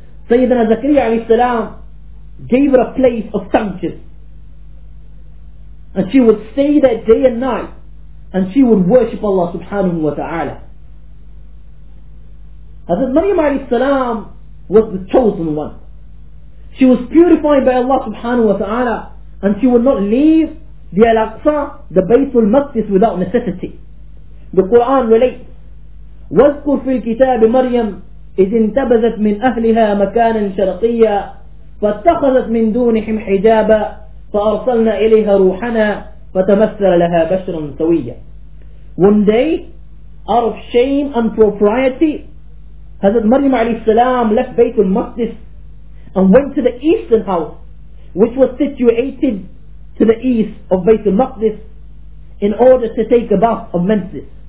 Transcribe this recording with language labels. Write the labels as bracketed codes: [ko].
[en] Sayyidina Zakariya alayhi salam gave her a place of sanctuary, and she would stay there day and night, and she would worship Allah subhanahu wa ta'ala. Hazrat Maryam alayhi salam was the chosen one. She was purified by Allah subhanahu wa ta'ala, and she would not leave the Al-Aqsa, the Baytul Maqdis, without necessity. The Quran relates, [ar] وَذْكُرْ فِي الْكِتَابِ مَرْيَمْ إِذْ انْتَبَذَتْ مِنْ أَهْلِهَا مَكَانًا شَرَقِيًّا فَاتَّخَذَتْ مِنْ دُونِهِمْ حِجَابًا فَأَرْسَلْنَا إِلَيْهَا رُوحَنَا فَتَمَثَّلَ لَهَا بَشْرًا سَوِيًّا. [en] One day, out of shame and propriety, Hazrat Maryam alayhi salam left Baytul Maqdis and went to the eastern house, which was situated to the east of Baytul Maqdis, in order to take a bath of menses.